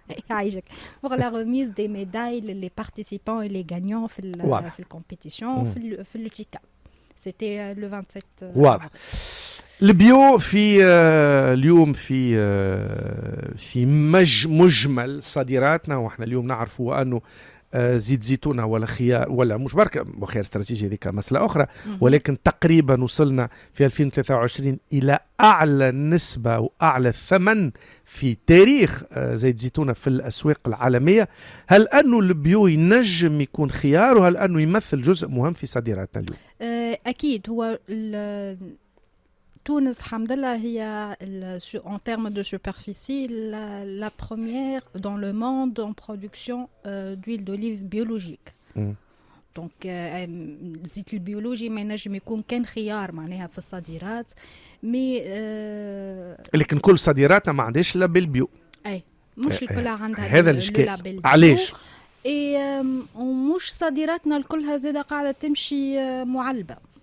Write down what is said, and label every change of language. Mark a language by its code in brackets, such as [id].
[ar] عايجك [fr] pour la remise des médailles les participants et les gagnants [ar] في ال في الكومبيتيسيون في لوتيكا. [fr] C'était le 27. [ar] واضح. البيو في اليوم في في مجمل صادراتنا، واحنا اليوم نعرفوا انه زيت زيتونة ولا خيار ولا مش بركة وخيار استراتيجي، هذيك مسألة أخرى. ولكن تقريبا وصلنا في 2023 إلى أعلى نسبة وأعلى ثمن في تاريخ زيت زيتونة في الأسواق العالمية. هل أنه البيو ينجم يكون خيار، وهل أنه يمثل جزء مهم في صادراتنا اليوم؟ أكيد، هو تونس الحمد لله هي [fr] en termes de superficie la première dans le monde en production d'huile d'olive biologique. [ar] Donc زيت البيولوجي ما ينجم يكون كان خيار معناها في الصادرات، مي لكن كل صادراتنا ما عندهاش لابيل بيو. اي مش الكل عندها هذا الاشكال. علاش؟ ومش صادراتنا الكلها زاده قاعده تمشي معلبه.